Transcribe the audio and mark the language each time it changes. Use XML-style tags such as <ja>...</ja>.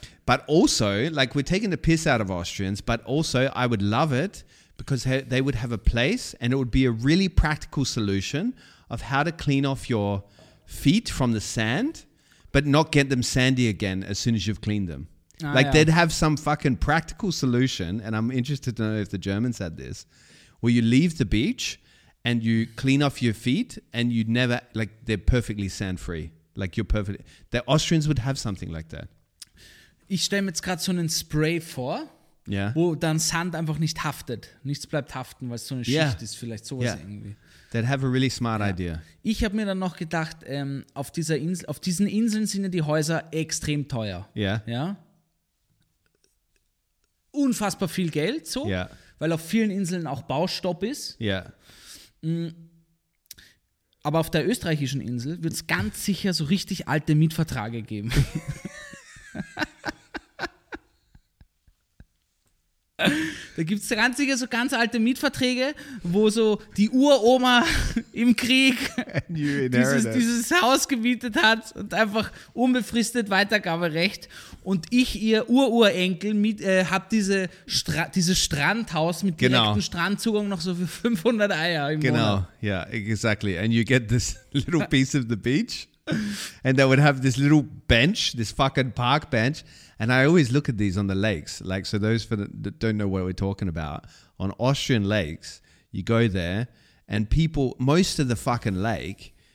<en>But also, like, we're taking the piss out of Austrians, but also I would love it because they would have a place and it would be a really practical solution of how to clean off your feet from the sand, but not get them sandy again as soon as you've cleaned them. Ah, like, yeah. They'd have some fucking practical solution, and I'm interested to know if the Germans had this, where you leave the beach and you clean off your feet and you never, like, they're perfectly sand-free. Like, you're perfect. The Austrians would have something like that.</en> <de>Ich stelle mir jetzt gerade so einen Spray vor,</de> <en>yeah,</en> <de>wo dann Sand einfach nicht haftet. Nichts bleibt haften, weil es so eine Schicht, yeah, ist, vielleicht sowas, yeah, irgendwie.</de> <en>They'd have a really smart, ja, idea.</en> <de>Ich habe mir dann noch gedacht, auf diesen Inseln sind ja die Häuser extrem teuer.</de> <en>Yeah.</en> <de>Ja. Unfassbar viel Geld, so,</de> <en>yeah,</en> <de>weil auf vielen Inseln auch Baustopp ist. Ja. Yeah. Aber auf der österreichischen Insel wird es ganz sicher so richtig alte Mietverträge geben. Da gibt es ganz sicher so ganz alte Mietverträge, wo so die Uroma im Krieg dieses Haus gemietet hat und einfach unbefristet Weitergaberecht. Und ich, ihr Ururenkel, habe dieses Strandhaus mit direktem, genau, Strandzugang noch so für 500 Eier im, genau, Monat.</de> <en>Genau, yeah, exactly. And you get this little piece of the beach and they would have this little bench, this fucking park bench. And I always look at these on the lakes. Like, so those that don't know what we're talking about, on Austrian lakes, you go there and people, most of the fucking lake</en>